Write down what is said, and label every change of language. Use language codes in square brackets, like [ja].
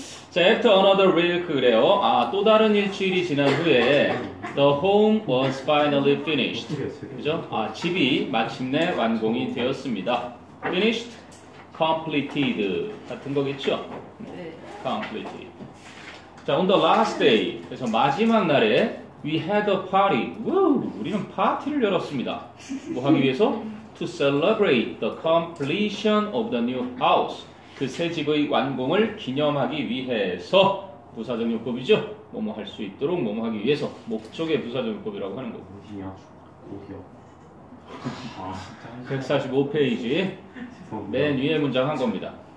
[en] 자, after another week [ko] 그래요. 아, 또 다른 일주일이 지난 후에 [en] the home was finally finished. [ko] 그죠? 아, 집이 마침내 완공이 되었습니다. finished, completed 같은 거겠죠? 네. [en] completed. 자, on the last day, [ko] 그래서 마지막 날에 [en] we had a party. Woo! [ko] 우리는 파티를 열었습니다. 뭐 하기 위해서? [en] To celebrate the completion of the new house. [ko] 그 새 집의 완공을 기념하기 위해서 부사정용법이죠. 뭐뭐 할 수 있도록 뭐뭐 하기 위해서 목적의 부사정용법이라고 하는 거고. 어디야? 고기요. 145페이지 맨 위에 문장 한 겁니다.